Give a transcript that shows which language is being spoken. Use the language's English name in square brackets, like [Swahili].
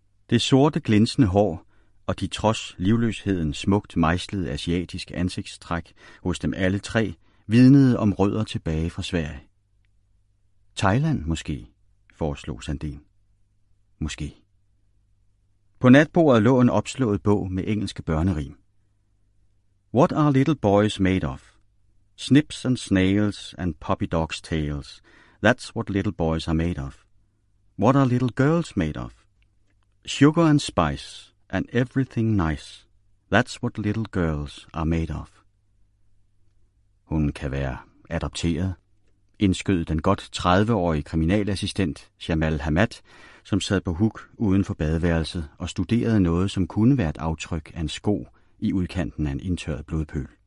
[Danish] Det sorte glinsende hår og de trods livløsheden smukt mejslede asiatiske ansigtstræk hos dem alle tre vidnede om rødder tilbage fra Sverige. Thailand måske, foreslog Sandin. Måske. På natbordet lå en opslået bog med engelske børnerim. [English] What are little boys made of? Snips and snails and puppy dogs' tails. That's what little boys are made of. What are little girls made of? Sugar and spice and everything nice. That's what little girls are made of. [Danish] Hun kan være adopteret, indskød den godt 30-årige kriminalassistent Jamal Hamad, som sad på huk uden for badeværelset og studerede noget, som kunne være et aftryk af en sko i udkanten af en indtørret blodpøl.